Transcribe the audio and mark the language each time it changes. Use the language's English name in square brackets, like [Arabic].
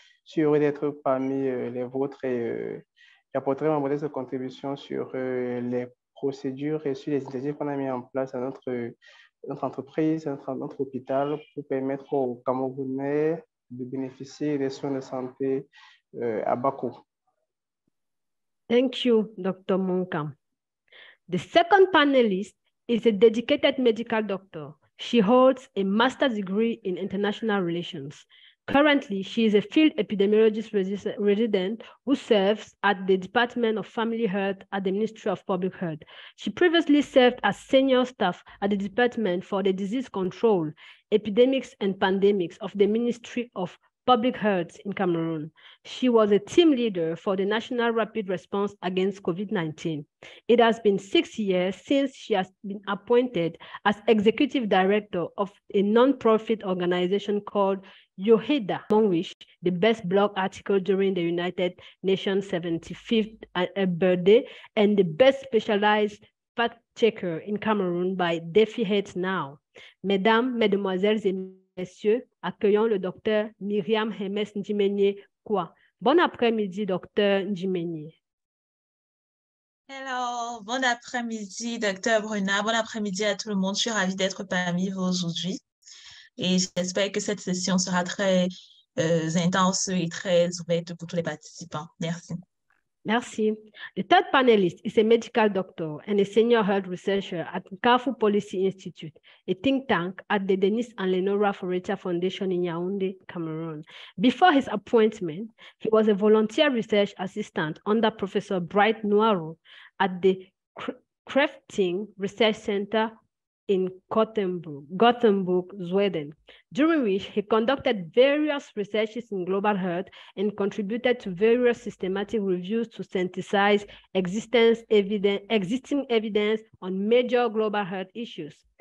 [French] Je suis heureux d'être parmi les vôtres et j'apporterai ma modeste contribution sur les procédures et sur les initiatives qu'on a mis en place à notre entreprise, notre hôpital, pour permettre aux Camerounais de bénéficier des soins de santé à bas coût. [English] Thank you, Dr. Monkam. The second panelist is a dedicated medical doctor. She holds a master's degree in international relations. Currently, she is a field epidemiologist resident who serves at the Department of Family Health at the Ministry of Public Health. She previously served as senior staff at the Department for the Disease Control, Epidemics and Pandemics of the Ministry of Public Health in Cameroon. She was a team leader for the National Rapid Response Against COVID-19. It has been 6 years since she has been appointed as executive director of a nonprofit organization called Yoheda Mongwish, the best blog article during the United Nations 75th birthday, and the best specialized fact checker in Cameroon by Defi Heads Now. [French] Mesdames, Mesdemoiselles et Messieurs, accueillons le docteur Myriam Hemes Ndjimenye Kwa. Bon après-midi, docteur Ndjimenye. [English] Hello, [French] bon après-midi, docteur Bruna. Bon après-midi à tout le monde. Je suis ravie d'être parmi vous aujourd'hui. Et j'espère que cette session sera très intense et très ouverte pour tous les participants. Merci. Merci. [English] The third panelist is a medical doctor and a senior health researcher at Carrefour Policy Institute, a think tank at the Denise and Lenora Foretta Foundation in Yaoundé, Cameroon. Before his appointment, he was a volunteer research assistant under Professor Bright Nwaru at the Crafting Research Center in Gothenburg, Sweden, during which he conducted various researches in global health and contributed to various systematic reviews to synthesize existing evidence on major global health issues.